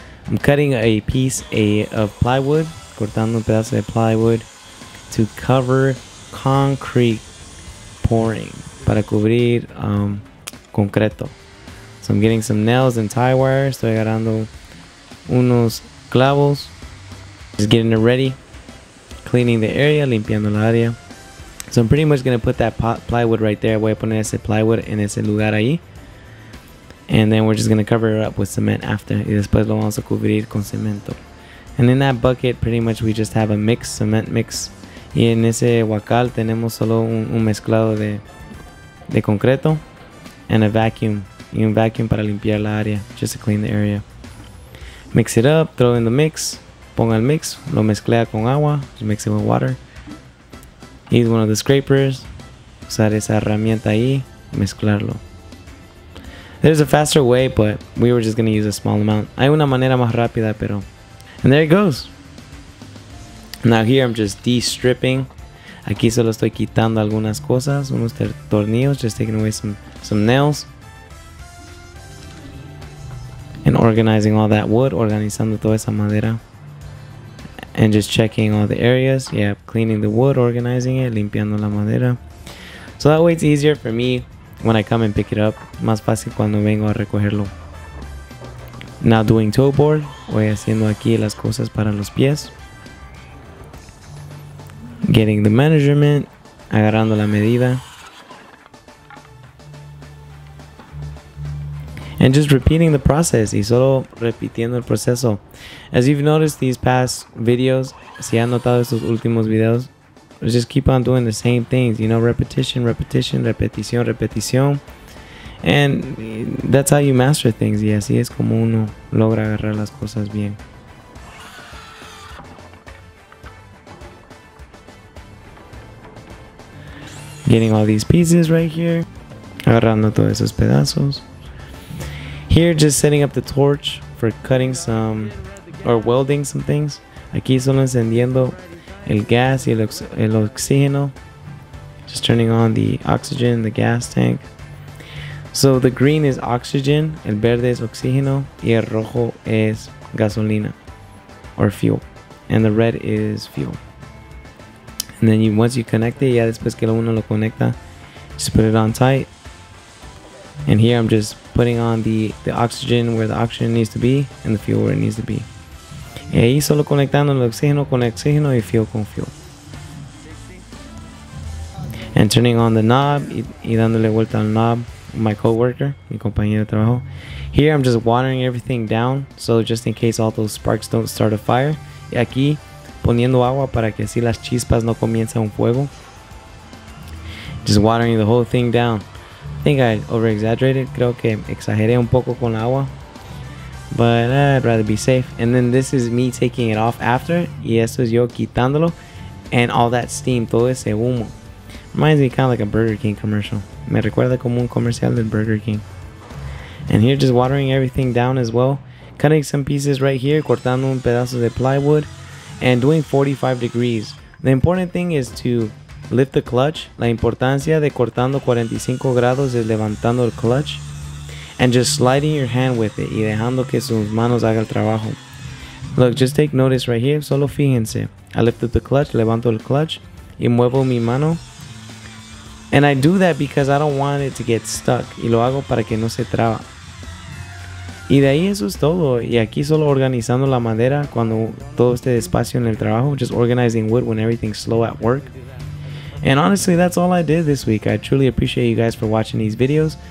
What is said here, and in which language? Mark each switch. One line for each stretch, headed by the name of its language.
English: I'm cutting a piece of plywood,
Spanish: cortando un pedazo de plywood,
English: to cover concrete pouring,
Spanish: para cubrir concreto.
English: So I'm getting some nails and tie wire.
Spanish: Estoy agarrando unos clavos.
English: Just getting it ready, cleaning the area,
Spanish: limpiando la área.
English: So I'm pretty much going to put that plywood right there.
Spanish: Voy a poner ese plywood en ese lugar ahí.
English: And then we're just going to cover it up with cement after.
Spanish: Y después lo vamos a cubrir con cemento.
English: And in that bucket, pretty much we just have a mix, cement mix.
Spanish: Y en ese huacal tenemos solo un mezclado de concreto.
English: And a vacuum.
Spanish: Y un vacuum para limpiar la área.
English: Just to clean the area. Mix it up. Throw in the mix.
Spanish: Ponga el mix. Lo mezcla con agua.
English: Just mix it with water. Use one of the scrapers,
Spanish: usar esa herramienta ahí, mezclarlo.
English: There's a faster way, but we were just going to use a small amount.
Spanish: Hay una manera más rápida, pero...
English: And there it goes. Now here I'm just de-stripping.
Spanish: Aquí solo estoy quitando algunas cosas, unos tornillos,
English: just taking away some nails. And organizing all that wood,
Spanish: organizando toda esa madera.
English: And just checking all the areas. Yeah, cleaning the wood, organizing it,
Spanish: limpiando la madera.
English: So that way it's easier for me when I come and pick it up.
Spanish: Más fácil cuando vengo a recogerlo.
English: Now doing toe board.
Spanish: Voy haciendo aquí las cosas para los pies.
English: Getting the measurement.
Spanish: Agarrando la medida.
English: And just repeating the process,
Spanish: y solo repitiendo el proceso.
English: As you've noticed these past videos,
Spanish: si han notado estos últimos videos,
English: just keep on doing the same things, you know, repetition, repetition,
Spanish: repetición, repetición.
English: And that's how you master things,
Spanish: y así es como uno logra agarrar las cosas bien.
English: Getting all these pieces right here,
Spanish: agarrando todos esos pedazos.
English: Here, just setting up the torch for cutting some or welding some things.
Spanish: Aquí solo encendiendo el gas y el oxígeno.
English: Just turning on the oxygen in the gas tank. So the green is oxygen,
Spanish: el verde es oxígeno, y el rojo es gasolina
English: or fuel. And the red is fuel. And then once you connect it,
Spanish: ya después que uno lo conecta,
English: just put it on tight. And here I'm just putting on the oxygen where the oxygen needs to be and the fuel where it needs to be.
Spanish: Y ahí solo conectando el oxígeno con oxígeno y fuel con fuel.
English: And turning on the knob
Spanish: y dándole vuelta al knob,
English: my coworker,
Spanish: mi compañero de trabajo.
English: Here I'm just watering everything down, so just in case all those sparks don't start a fire.
Spanish: Y aquí poniendo agua para que así las chispas no comiencen un fuego.
English: Just watering the whole thing down. I think I over-exaggerated,
Spanish: creo que exageré un poco con la agua,
English: but I'd rather be safe. And then this is me taking it off after,
Spanish: y esto es yo quitándolo,
English: and all that steam,
Spanish: todo ese humo.
English: Reminds me kind of like a Burger King commercial.
Spanish: Me recuerda como un comercial del Burger King.
English: And here just watering everything down as well, cutting some pieces right here,
Spanish: cortando un pedazo de plywood,
English: and doing 45 degrees. The important thing is to lift the clutch.
Spanish: La importancia de cortando 45 grados es levantando el clutch
English: and just sliding your hand with it
Spanish: y dejando que sus manos haga el trabajo.
English: Look, just take notice right here.
Spanish: Solo fíjense.
English: I lifted the clutch,
Spanish: levanto el clutch y muevo mi mano.
English: And I do that because I don't want it to get stuck.
Spanish: Y lo hago para que no se traba. Y de ahí eso es todo. Y aquí solo organizando la madera cuando todo esté despacio en el trabajo.
English: Just organizing wood when everything's slow at work. And honestly, that's all I did this week. I truly appreciate you guys for watching these videos.